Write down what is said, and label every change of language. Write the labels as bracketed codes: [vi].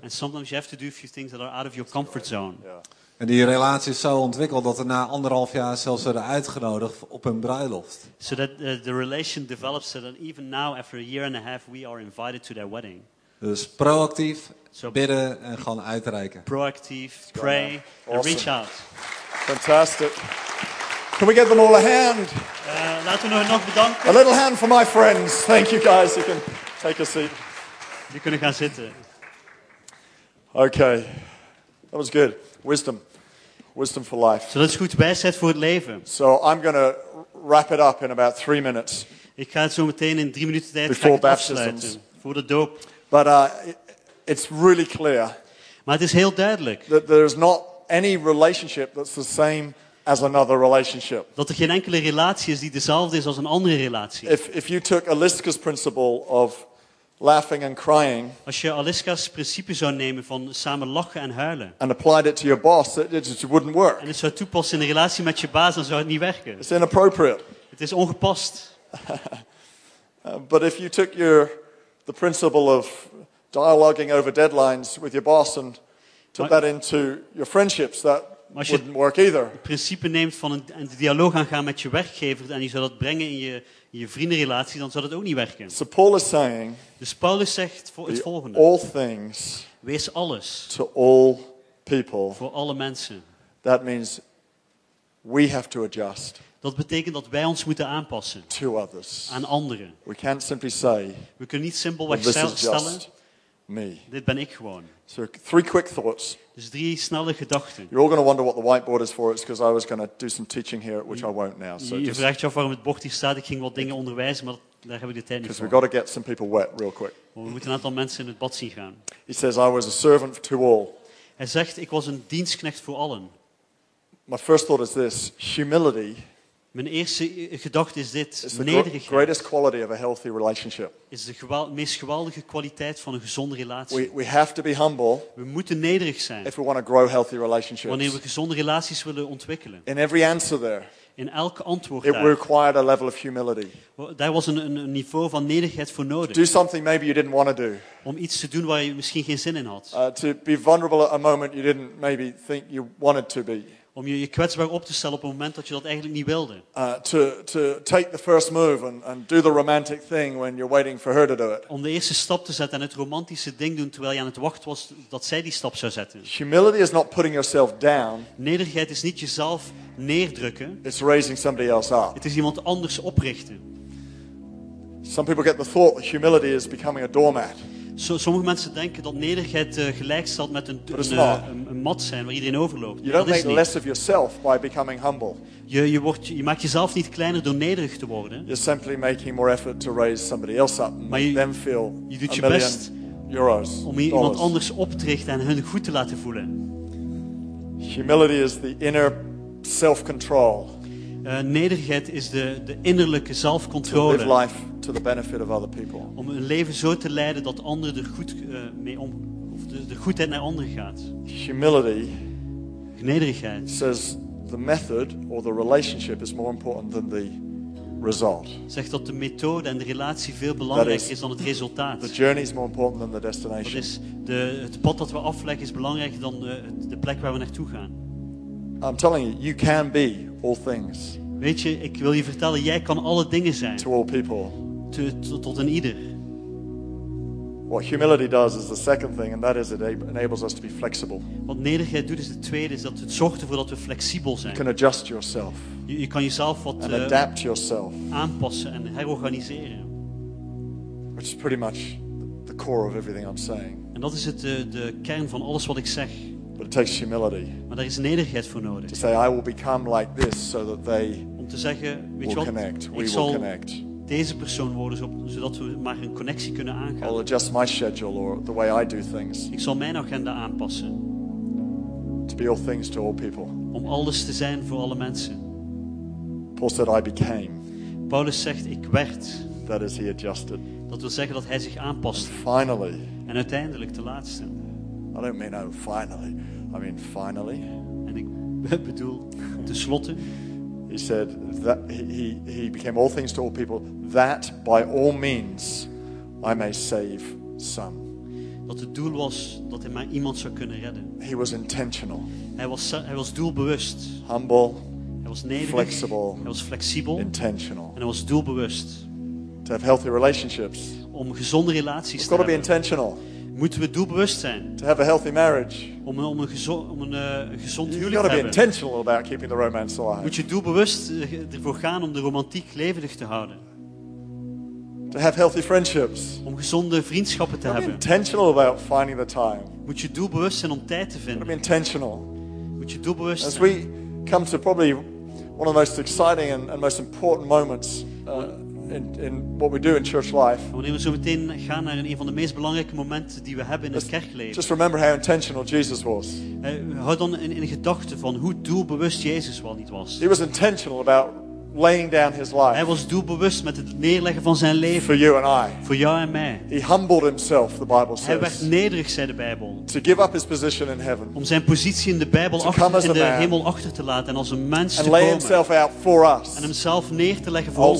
[en] And sometimes you have to do a few things that are out of your comfort zone. Yeah. [nl] En die relatie is zo ontwikkeld dat we na anderhalf jaar zelfs werden uitgenodigd op een bruiloft. [en] So that the relation develops so that even now after a year and a half we are invited to their wedding. [nl] Dus proactief, so, bidden en gewoon uitreiken. [en] Proactief, pray, awesome. And reach out. Fantastic. Can we give them all a hand? [nl] Laten we nog bedanken. [en] A little hand for my friends. Thank you guys. You can take a seat. [nl] Je kunt gaan zitten. [en] Okay. That was good. Wisdom. Wisdom for life. So that's good [nl] wijsheid voor het leven. [en] So I'm going to wrap it up in about 3 minutes. [nl] Ik ga het zo meteen in 3 minuten tijd [en] before baptism. [nl] Voor de doop. [en] But it's really clear. [nl] Maar het is heel duidelijk. [en] That there's not any relationship that's the same as another relationship. [nl] Dat er geen enkele relatie is die dezelfde is als een andere relatie. [en] If you took Aliska's principle of laughing and crying. [nl] Als je Aliska's principe zou nemen van samen lachen en huilen. [en] And applied it to your boss, it wouldn't work. [nl] En het zou toepassen in een relatie met je baas, dan zou het niet werken. [en] It's inappropriate. [nl] Het is ongepast. [en] But if you took the principle of dialoguing over deadlines with your boss and took that into your friendships, that wouldn't work either. [nl] Als je het principe neemt van een dialoog aangaan met je werkgever en je zou dat brengen in je vriendenrelatie, dan zou dat ook niet werken. [en] So Paul is saying, [nl] dus Paulus zegt het volgende. [en] All things, [nl] wees alles [en] to all people, [nl] voor alle mensen. [en] That means we have to adjust. [nl] Dat betekent dat wij ons moeten aanpassen [en] to others. [nl] Aan anderen. [en] We, can't simply say, [nl] we kunnen niet simpelweg stellen, [en] me. [nl] Dit ben ik gewoon. [en] So, three quick thoughts. [nl] Dus drie snelle gedachten. [en] You're all going to wonder what the whiteboard is for. It's because I was going to do some teaching here, which I won't now. So [nl] je vraagt je af waarom het bord hier staat. Ik ging wat dingen onderwijzen, maar daar heb ik de tijd niet voor. [en] Because we got to get some people wet real quick. [nl] We moeten een aantal mensen in het bad zien gaan. [en] He says, I was a servant to all. [nl] Hij zegt, ik was een dienstknecht voor allen. [en] My first thought is this, humility. [nl] Mijn eerste gedachte is dit, nederigheid [en] of a healthy relationship. [nl] Is de meest geweldige kwaliteit van een gezonde relatie. [en] We have to be humble. [nl] We moeten nederig zijn. [en] If we want to grow healthy relationships. [nl] Wanneer we gezonde relaties willen ontwikkelen. [en] In every answer there. [nl] In elk antwoord [en] it required a level of humility. [nl] Daar was een niveau van nederigheid voor nodig. [en] To do something maybe you didn't want to do. [nl] Om iets te doen waar je misschien geen zin in had. [en] To be vulnerable at a moment you didn't maybe think you wanted to be. [nl] om je kwetsbaar op te stellen op het moment dat je dat eigenlijk niet wilde. [en] To take the first move and do the romantic thing when you're waiting for her to do it. [nl] Om de eerste stap te zetten en het romantische ding doen terwijl je aan het wachten was dat zij die stap zou zetten. [en] Humility is not putting yourself down. [nl] Nederigheid is niet jezelf neerdrukken. [en] It's raising somebody else up. [nl] Het is iemand anders oprichten. [en] Some people get the thought that humility is becoming a doormat. [nl] Sommige mensen denken dat nederigheid gelijk staat met een mat zijn waar iedereen overloopt. [en] You don't [nl] dat [en] make [nl] is niet. [en] Less of yourself by becoming humble. [nl] Je maakt jezelf niet kleiner door nederig te worden. [en] You're simply making more effort to raise somebody else up and make them feel [nl] je doet [en] a [nl] je [en] million [nl] best [en] euros, [nl] om [en] dollars. [nl] Iemand anders op te richten en hun goed te laten voelen. [en] Humility is the inner self-control. [nl] Nederigheid is de innerlijke zelfcontrole. [en] To live life to the benefit of other people. [nl] Om een leven zo te leiden dat anderen er goed mee om of de goedheid naar anderen gaat. [en] Humility. [nl] Nederigheid. [en] Says the method or the relationship is more important than the result. [nl] Zegt dat de methode en de relatie veel belangrijker is dan het resultaat. [en] The journey is more important than the destination. [nl] Dat is het pad dat we afleggen is belangrijker dan de plek waar we naartoe gaan. [en] I'm telling you, you can be all things. [nl] Weet je, ik wil je vertellen, jij kan alle dingen zijn. [en] To all people. [nl] Tot een ieder. [en] What humility does is the second thing, and that is it enables us to be flexible. [nl] Wat nederigheid doet is de tweede, is dat het zorgt ervoor dat we flexibel zijn. [en] You can adjust yourself. [nl] Je kan jezelf wat [en] and adapt yourself. [nl] Aanpassen en herorganiseren. [en] Which is pretty much the core of everything I'm saying. [nl] En dat is de kern van alles wat ik zeg. [en] But it takes humility. [nl] Maar daar is nederigheid voor nodig. [en] To say I will become like this so that they [nl] om te zeggen, weet [en] will [nl] wat? [en] Connect. [nl] Ik [en] we [nl] zal [en] will connect. [nl] Deze persoon worden zodat we maar een connectie kunnen aangaan. [en] I'll adjust my schedule or the way I do things. [nl] Ik zal mijn agenda aanpassen. [en] To be all things to all people. [nl] Om alles te zijn voor alle mensen. [en] Paul said I became. [nl] Paulus zegt ik werd. [en] That is he adjusted. [nl] Dat wil zeggen dat hij zich aanpast. [en] Finally. [nl] En uiteindelijk de laatste. [en] I don't mean oh finally. I mean finally. [nl] En ik bedoel tenslotte. [en] He said that he became all things to all people that by all means I may save some. [nl] Dat het doel was dat hij maar iemand zou kunnen redden. [en] He was intentional. [nl] Hij was doelbewust. [en] Humble. [nl] Hij was nederig. [en] Flexible. [nl] Hij was flexibel. [en] Intentional. [nl] En hij was doelbewust. [en] To have healthy relationships. [nl] Om gezonde relaties te hebben. [en] Got to be intentional. [nl] Moeten we doelbewust zijn? [en] To have a healthy marriage. [nl] Om een gezond huwelijk te hebben. [en] You've got to be intentional about keeping the romance alive. [nl] Moet je doelbewust ervoor gaan om de romantiek levendig te houden. [en] To have healthy friendships. [nl] Om gezonde vriendschappen te hebben. [en] Be intentional about finding the time. [nl] Moet je doelbewust zijn om tijd te vinden. [en] Be intentional. [nl] Moet je doelbewust [en] zijn. As we come to probably one of the most exciting and most important moments in what we do in church life. [nl] Wanneer we zo meteen gaan naar een van de meest belangrijke momenten die we hebben in het kerkleven. [en] Just remember how intentional Jesus was. [nl] Houd dan in gedachte van hoe doelbewust Jezus wel niet was. [en] He was intentional about laying down his life. [nl] Hij was doelbewust met het neerleggen van zijn leven. [en] For you and I. [nl] Voor jou en mij. [en] He humbled himself, the Bible says. [nl] Hij werd nederig, zei de Bijbel. [en] To give up his position in heaven. [nl] Om zijn positie in de Bijbel in de hemel achter te laten en als een mens te komen. [en] And lay himself out for us. [nl] En hemzelf neer te leggen voor